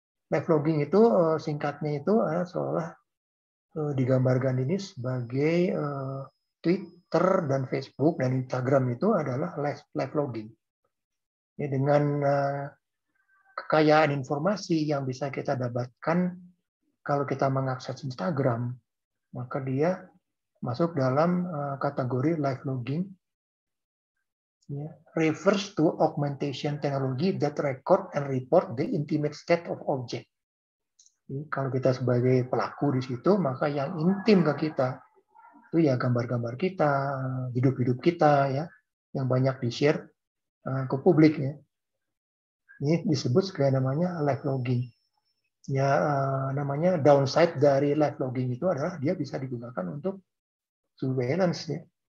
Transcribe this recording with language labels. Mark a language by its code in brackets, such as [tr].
[id] Live logging itu singkatnya itu seolah digambarkan ini sebagai Twitter dan Facebook dan Instagram itu adalah live logging. Ya, dengan kekayaan informasi yang bisa kita dapatkan kalau kita mengakses Instagram, maka dia masuk dalam kategori live logging. [en] Ya, refers to augmentation technology that record and report the intimate state of object. [id] Jadi, kalau kita sebagai pelaku di situ, maka yang intim ke kita itu ya gambar-gambar kita, hidup-hidup kita ya, yang banyak di-share ke publik ya. Ini disebut sebagai namanya live logging. Ya namanya downside dari live logging itu adalah dia bisa digunakan untuk surveillance ya.